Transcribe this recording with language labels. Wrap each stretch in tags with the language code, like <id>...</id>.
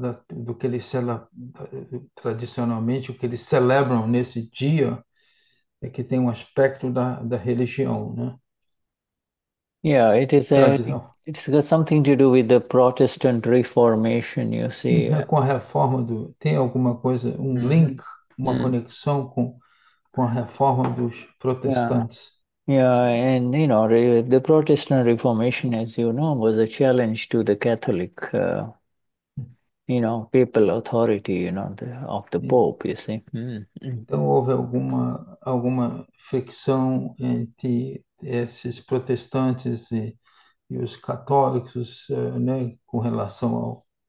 <pt>Do que eles tradicionalmente, o que eles celebram nesse dia é que tem um aspecto da religião, né?</pt> <en>Yeah,</en> <pt>Tradição.</pt> <en>it's got something to do with the Protestant Reformation, you see.</en> <pt>Então, com a reforma tem alguma coisa, um link, uma conexão com a reforma dos protestantes.</pt> <en>And the Protestant Reformation, as you know, was a challenge to the Catholic, papal authority, of the Pope, you see.</en> <pt>Então, houve alguma fricção entre esses protestantes e os católicos, né, com relação</pt>